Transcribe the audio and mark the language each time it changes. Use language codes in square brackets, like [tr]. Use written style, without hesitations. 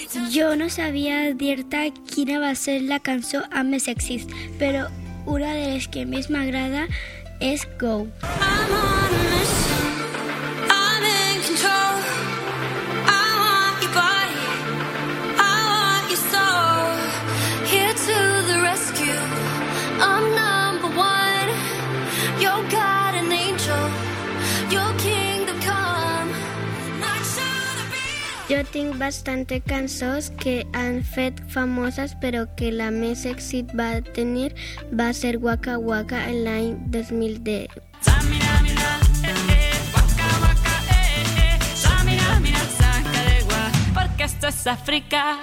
[ca] Jo no sabia dir-te quina va ser la cançó amb més èxit, però una de les que més m'agrada és Go. [en] I'm on a mission, I'm in control. I want your body, I want your soul. Here to the rescue, I'm number one. You're God and angel, your kingdom come. Not sure the real. [ca] Jo tinc bastante cançons que han fet famoses, però que la més èxit va tenir va ser Waka Waka en l'any 2010. Waka Waka, [es] Samina, mira, saca de gua, perquè esto es Àfrica.